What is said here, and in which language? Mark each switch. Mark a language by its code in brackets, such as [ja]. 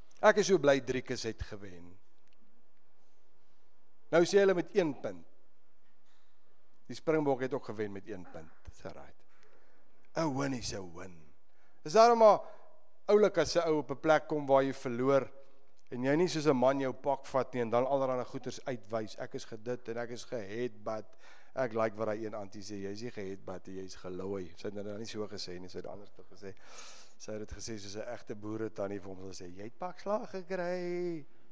[af] Ek is so bly Driekus het gewen. Nou sê hulle met 1 punt. Die Springbok het ook gewen met 1 punt. [en] So right. A win is a win. [af] Is daarom maar oulik as 'n ou op 'n plek kom waar jy verloor en jy nie soos 'n man jou pak vat nie en dan allerhande goeders uitwys. Ek is gedit en ek is gehet, but ek like wat hy een antie sê, jy is nie gehet, but jy is gelooi. Sy het dan nie so gesê nie, sy het anders toe gesê. Sy het dit gesê soos 'n echte boere tannie vir hom sal sê, jy het pak slag gekry.